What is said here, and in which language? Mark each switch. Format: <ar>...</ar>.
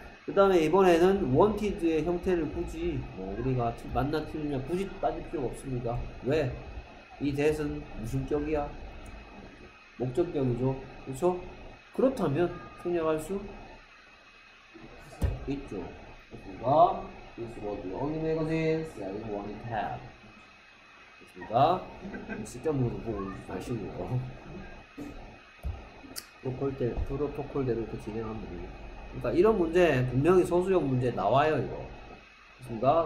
<ko>그 다음에 이번에는 wanted의 형태를 굳이 뭐 우리가 만나 틀렸냐 굳이 따질 필요 없습니다. 왜? 이 that은 무슨 격이야? 목적격이죠. 그렇죠? 그렇다면 생략할 수 있죠. 됐습니다.</ko> <en>This was the only magazine Sally wanted to have.</en> <ko>쓸데없는 거 보고 마시고 이거 토콜대로 프로 토콜대로 이렇게 진행하면 되고. 그러니까 이런 문제 분명히 소수형 문제 나와요 이거. 그렇습니까?</ko>